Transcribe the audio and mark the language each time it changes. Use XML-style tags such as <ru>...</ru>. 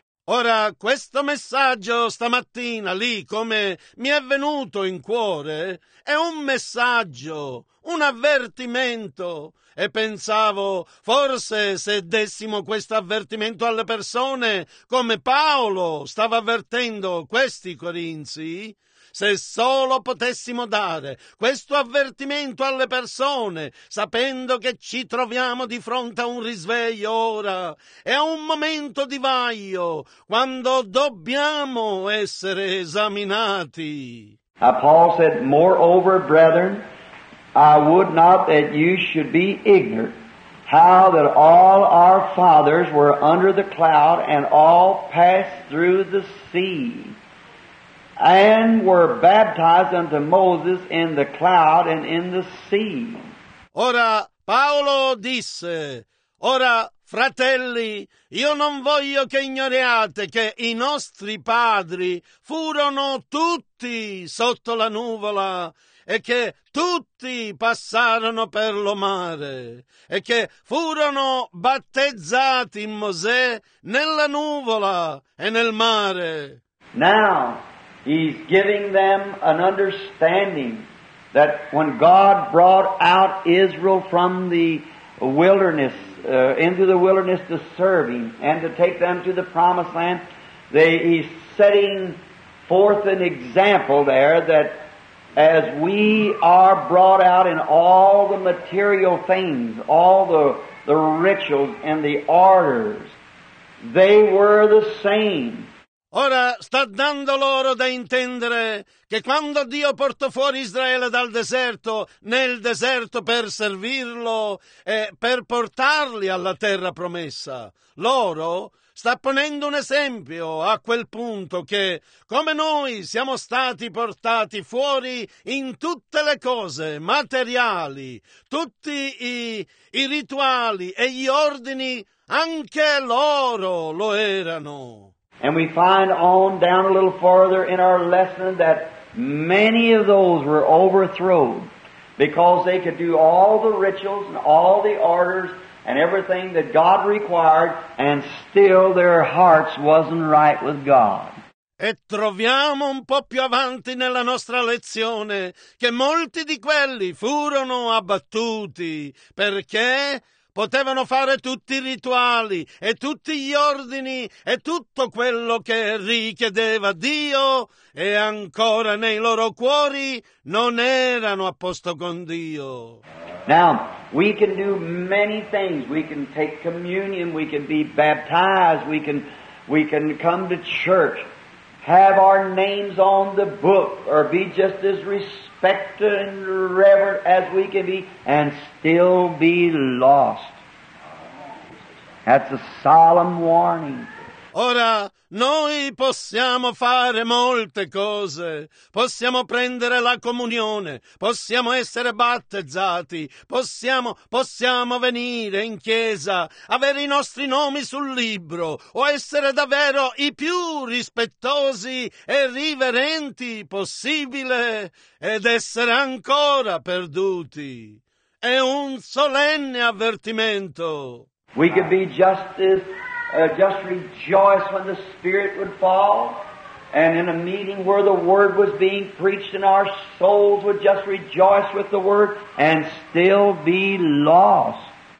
<it>Ora, questo messaggio stamattina lì, come mi è venuto in cuore, è un messaggio, un avvertimento. E pensavo, forse se dessimo questo avvertimento alle persone, come Paolo stava avvertendo questi corinzi, se solo potessimo dare questo avvertimento alle persone, sapendo che ci troviamo di fronte a un risveglio ora, e a un momento di vaglio, quando dobbiamo essere esaminati.</it> <en>Paul said, moreover, brethren, I would not that you should be ignorant how that all our fathers were under the cloud and all passed through the sea and were baptized unto Moses in the cloud and in the sea.</en> <it>Ora Paolo disse, ora fratelli, io non voglio che ignoriate che i nostri padri furono tutti sotto la nuvola e che tutti passarono per lo mare e che furono battezzati in Mosè nella nuvola e nel mare.</it> <en>Now he's giving them an understanding that when God brought out Israel from the wilderness, into the wilderness to serve him and to take them to the promised land, he's setting forth an example there that as we are brought out in all the material things, all the rituals and the orders, they were the same.</en> <it>Ora sta dando loro da intendere che quando Dio portò fuori Israele dal deserto, nel deserto per servirlo e per portarli alla terra promessa, loro sta ponendo un esempio a quel punto che, come noi siamo stati portati fuori in tutte le cose materiali, tutti i rituali e gli ordini, anche loro lo erano.</it> <en>And we find on down a little further in our lesson that many of those were overthrown because they could do all the rituals and all the orders and everything that God required, and still their hearts wasn't right with God.</en> <it>E troviamo un po' più avanti nella nostra lezione che molti di quelli furono abbattuti perché potevano fare tutti i rituali e tutti gli ordini e tutto quello che richiedeva Dio, e ancora nei loro cuori non erano a posto con Dio.</it> <en>Now, we can do many things. We can take communion, we can be baptized, we can come to church, have our names on the book, or be just as respected and reverent as we can be, and still be lost. That's a solemn warning.</en> <it>Ora, noi possiamo fare molte cose. Possiamo prendere la comunione, possiamo essere battezzati, possiamo venire in chiesa, avere i nostri nomi sul libro, o essere davvero i più rispettosi e riverenti possibile, ed essere ancora perduti. È un solenne avvertimento.</it> <en>We could be just rejoice when the Spirit would fall, and in a meeting where the Word was being preached, and our souls would just rejoice with the Word, and still be lost.</en>